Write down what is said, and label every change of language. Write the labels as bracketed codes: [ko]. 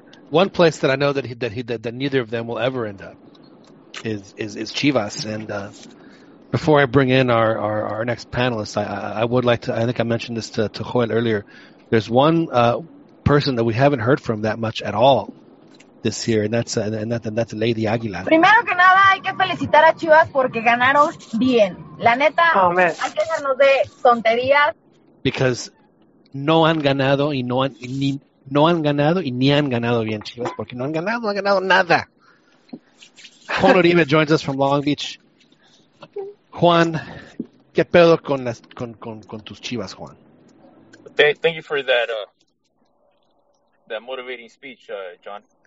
[en] One place that I know that neither of them will ever end up is Chivas. And before I bring in our next panelist, I would like to. I think I mentioned this to Joel earlier. There's one person that we haven't heard from that much at all this year, and that's Lady Aguilar. [es] Primero que nada, hay que felicitar a Chivas porque ganaron bien. La neta, hay que dejarnos de tonterías. [en] Because [es] no han ganado y no han ganado bien, Chivas, porque no han ganado nada. [en] Juan Uribe joins us from Long Beach. [es] Juan, ¿qué pedo con tus Chivas, Juan? [en] Thank you for that that motivating speech, John.